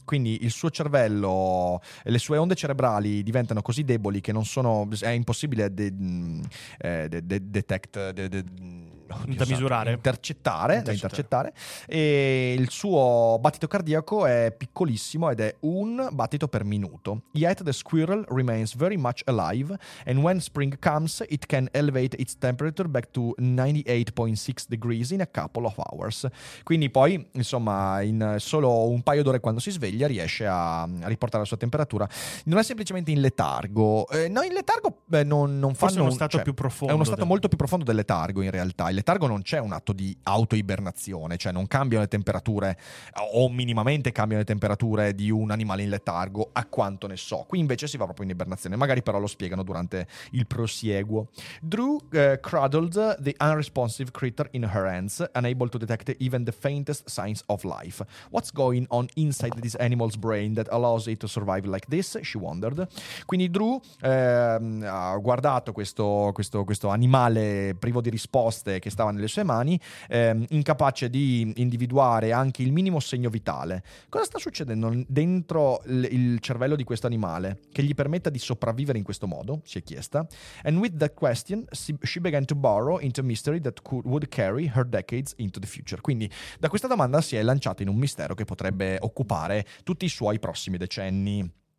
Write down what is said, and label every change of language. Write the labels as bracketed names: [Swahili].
[Italian] Quindi il suo cervello, le sue onde cerebrali diventano così deboli che non sono, è impossibile intercettare. E il suo battito cardiaco è piccolissimo ed è un battito per minuto. [English] Yet the squirrel remains very much alive, and when spring comes it can elevate its temperature back to 98.6 degrees in a couple of hours. [Italian] Quindi poi, insomma, in solo un paio d'ore, quando si sveglia, riesce a riportare la sua temperatura. Non è semplicemente in letargo. È uno stato molto più profondo del letargo, in realtà. Il letargo non c'è un atto di autoibernazione, cioè non cambiano le temperature, o minimamente cambiano le temperature di un animale in letargo, a quanto ne so. Qui invece si va proprio in ibernazione, magari però lo spiegano durante il prosieguo. [English] Drew cradled the unresponsive creature in her hands, unable to detect even the faintest signs of life. What's going on inside this animal's brain that allows it to survive like this? She wondered. [Italian] Quindi Drew ha guardato questo animale privo di risposte che stava nelle sue mani, incapace di individuare anche il minimo segno vitale. Cosa sta succedendo dentro il cervello di questo animale che gli permetta di sopravvivere in questo modo? Si è chiesta. [English] And with that question she began to burrow into a mystery that would carry her decades into the future. [Italian] Quindi da questa domanda si è lanciato in un mistero che potrebbe occupare tutti i suoi prossimi decenni.